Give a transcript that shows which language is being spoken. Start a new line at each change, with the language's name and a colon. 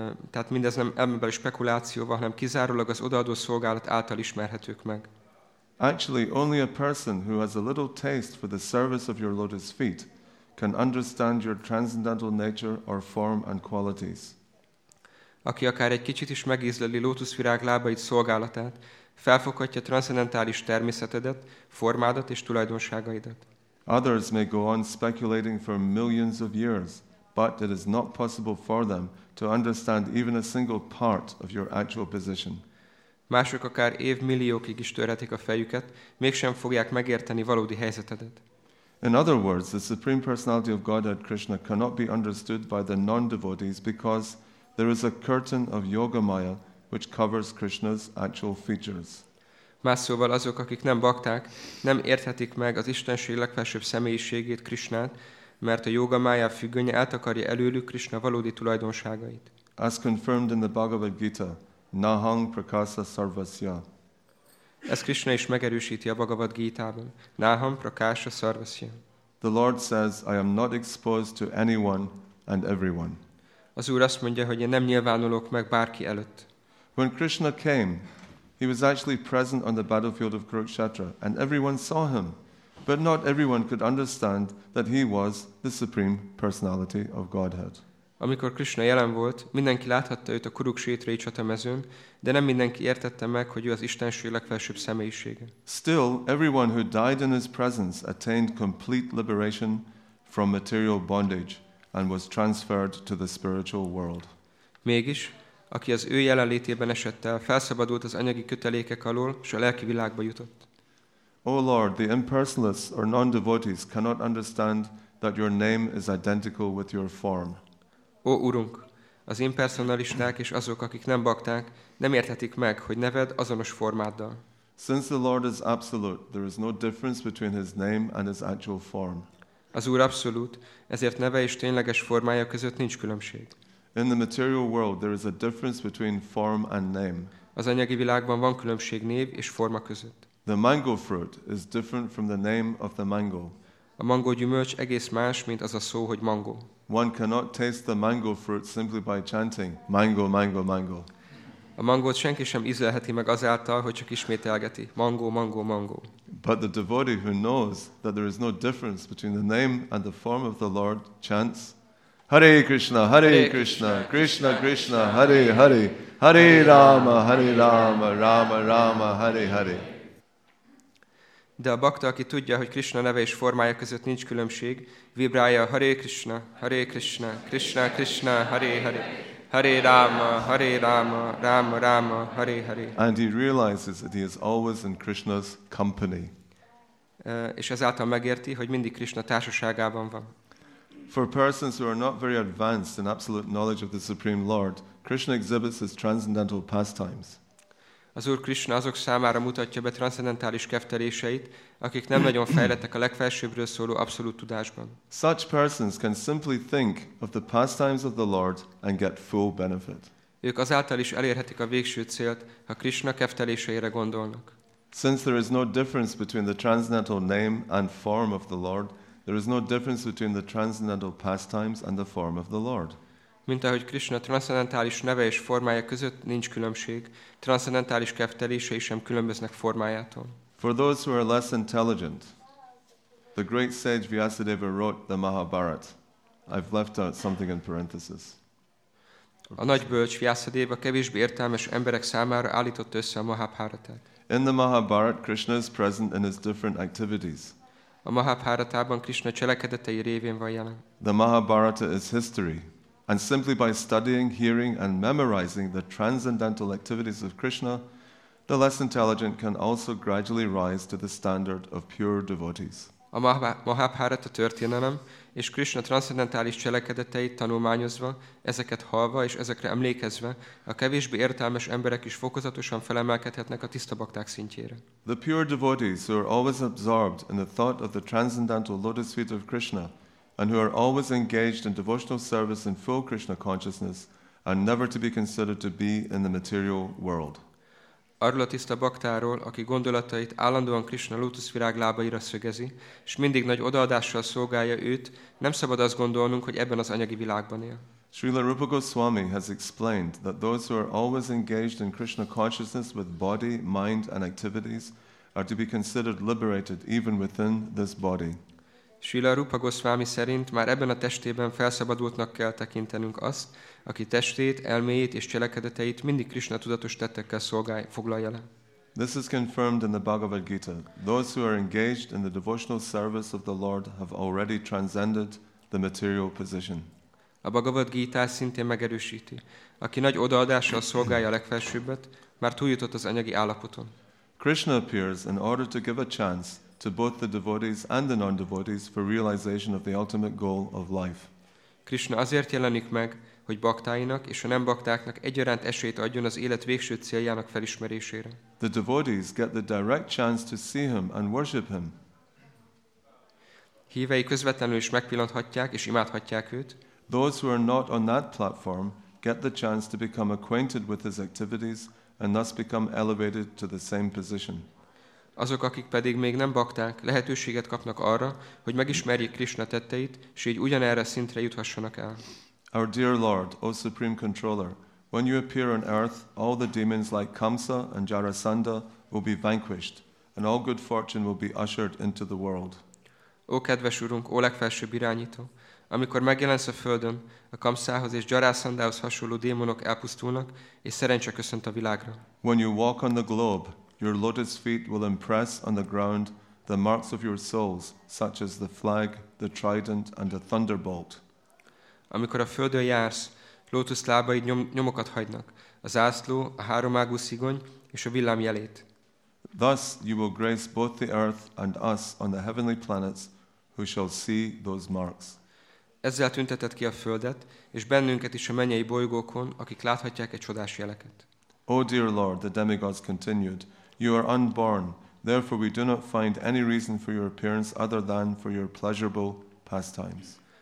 Hungarian: Tehát mindez nem elmebeli spekulációval, hanem kizárólag az odaadó szolgálat által ismerhetők meg.
English: Actually, only a person who has a little taste for the service of your lotus feet can understand your transcendental nature or form and qualities.
Hungarian: Aki akár egy kicsit is megízleli lótuszvirág lábait szolgálatát, felfoghatja transzendentális természetedet, formádat és tulajdonságaidat.
English: Others may go on speculating for millions of years, but it is not possible for them to understand even a single part of your actual position.
Hungarian: Mások akár évmilliókig is törhetik a fejüket, mégsem fogják megérteni valódi helyzetedet.
English: In other words, the Supreme Personality of Godhead Krishna cannot be understood by the non-devotees because there is a curtain of yoga maya which covers Krishna's actual features.
Hungarian: Más szóval azok, akik nem bakták, nem érthetik meg az Istenség legfelsőbb személyiségét, Krishnát, mert a yoga maya függönye eltakarja előlük Krishna valódi tulajdonságait.
English: As confirmed in the Bhagavad Gita,
Sanskrit: Nahang prakasa sarvasya.
Hungarian: Ez Krishna is megerősíti a Bhagavad Gita-ban.
Sanskrit: Nahang prakasa sarvasya.
English: The Lord says, I am not exposed to anyone and everyone.
Hungarian: Az Úr azt mondja, hogy én nem nyilvánulok meg bárki előtt.
English: When Krishna came, he was actually present on the battlefield of Kurukshetra, and everyone saw him, but not everyone could understand that he was the Supreme Personality of Godhead.
Hungarian: Amikor Krishna jelen volt, mindenki láthatta őt a Kurukshetrai csatamezőn, de nem mindenki értette meg, hogy ő az Istenség legfelsőbb személyisége.
English: Still, everyone who died in his presence attained complete liberation from material bondage and was transferred to the spiritual world.
Hungarian: Mégis, aki az ő jelenlétében esett el, felszabadult az anyagi kötelékek alól, és a lelki világba jutott.
English: O Lord, the impersonalists or non-devotees cannot understand that your name is identical with your form.
Hungarian: Ó Urunk, az impersonalisták és azok, akik nem bakták, nem érthetik meg, hogy neved azonos formáddal.
English: Since the Lord is absolute, there is no difference between his name and his actual form.
Hungarian: Az Úr abszolút, ezért neve és tényleges formája között nincs különbség.
English: In the material world, there is a difference between form and name.
Hungarian: Az anyagi világban van különbség név és forma között.
English: The mango fruit is different from the name of the mango.
Hungarian: A mangó gyümölcs egész más, mint az a szó, hogy mango.
English: One cannot taste the mango fruit simply by chanting mango, mango, mango.
Hungarian: A mangót senki sem ízlelheti meg azáltal, hogy csak ismételgeti mango, mango, mango.
English: But the devotee who knows that there is no difference between the name and the form of the Lord chants Hare Krishna, Hare Krishna, Krishna Krishna, Hare Hare, Hare Rama, Hare Rama, Rama Rama, Hare Hare.
Hungarian: De a bakta, aki tudja, hogy Krishna neve és formája között nincs különbség, vibrálja Hare Krishna, Hare Krishna, Krishna Krishna, Hare Hare, Hare Rama, Hare Rama, Rama Rama, Hare Hare.
English: And he realizes that he is always in Krishna's company.
Hungarian: És ezáltal megérti, hogy mindig Krishna társaságában van.
English: For persons who are not very advanced in absolute knowledge of the Supreme Lord, Krishna exhibits his transcendental pastimes.
Hungarian: Az Úr Krishna azok számára mutatja be transzcendentális kefteléseit, akik nem nagyon fejlettek a legfelsőbbről szóló abszolút tudásban.
English: Such persons can simply think of the pastimes of the Lord and get full benefit.
Hungarian: Ők azáltal is elérhetik a végső célt, ha Krishna kefteléseire gondolnak.
English: Since there is no difference between the transcendental name and form of the Lord, there is no difference between the transcendental pastimes and the form of the Lord.
Hungarian: Mint ahogy Krishna transzcendentális neve és formája között nincs különbség, transzcendentális keftelései sem különböznek formájától.
English: For those who are less intelligent, the great sage Vyasadeva wrote the Mahabharata. I've left out something in parenthesis.
Hungarian: A nagy bölcs Vyasadeva kevésbé értelmes emberek számára állította össze a Mahabharatát.
English: In the Mahabharata, Krishna is present in his different activities.
Hungarian: A Mahabharatában Krishna cselekedetei révén van jelen.
English: The Mahabharata is history. And simply by studying, hearing and memorizing the transcendental activities of Krishna, the less intelligent can also gradually rise to the standard of pure devotees.
Hungarian: A Mahábhárata történelem és Krishna transzcendentális cselekedeteit tanulmányozva, ezeket hallva és ezekre emlékezve, a kevésbé értelmes emberek is fokozatosan felemelkedhetnek a tiszta bakták szintjére.
English: The pure devotees who are always absorbed in the thought of the transcendental lotus feet of Krishna and who are always engaged in devotional service in full Krishna consciousness are never to be considered to be in the material world.
Hungarian: Arról a tiszta baktáról, aki gondolatait állandóan Krishna lótuszvirág lábaira szögezi, és mindig nagy odaadással szolgálja őt, nem szabad azt gondolnunk, hogy ebben az anyagi világban él.
English: Srila Rupa Goswami has explained that those who are always engaged in Krishna consciousness with body, mind and activities are to be considered liberated even within this body.
Hungarian: Srila Rupa Goswami szerint már ebben a testében felszabadultnak kell tekintenünk azt, aki testét, elméjét és cselekedeteit mindig Krishna tudatos tettekkel szolgálja, foglalja le.
English: This is confirmed in the Bhagavad Gita. Those who are engaged in the devotional service of the Lord have already transcended the material position.
Hungarian: A Bhagavad Gita szintén megerősíti. Aki nagy odaadással szolgálja a legfelsőbbet, már túljutott az anyagi állapoton.
English: Krishna appears in order to give a chance to both the devotees and the non-devotees for realization of the ultimate goal of life.
Hungarian: Krishna azért jelenik meg, hogy baktáinak és a nem baktáknak egyaránt esélyt adjon az élet végső céljának felismerésére.
English: The devotees get the direct chance to see him and worship him.
Hungarian: Hívei közvetlenül is megpillanthatják és imádhatják őt.
English: Those who are not on that platform get the chance to become acquainted with his activities and thus become elevated to the same position.
Hungarian: Azok, akik pedig még nem bakták, lehetőséget kapnak arra, hogy megismerjék Krishna tetteit, és így ugyanerre szintre juthassanak el.
English: Our dear Lord, O Supreme Controller, when you appear on earth, all the demons like Kamsa and Jarasandha will be vanquished, and all good fortune will be ushered into the world.
Hungarian: Ó kedves Urunk, ó legfelsőbb irányító, amikor megjelensz a Földön, a Kamsához és Jarasandhához hasonló démonok elpusztulnak, és szerencse köszönt a világra.
English: When you walk on the globe, your lotus feet will impress on the ground the marks of your souls, such as the flag, the trident, and the thunderbolt.
Hungarian: Amikor a Földön jársz, lótusz lábaid nyomokat hagynak, a zászló, a háromágú szigony és a villám jelét.
English: Thus you will grace both the earth and us on the heavenly planets who shall see those marks.
Hungarian: Ezzel tünteted ki a Földet, és bennünket is a mennyei bolygókon, akik láthatják egy csodás jeleket.
English: O dear Lord, the demigods continued, you are unborn, therefore we do not find any reason for your appearance other than for your pleasurable pastimes.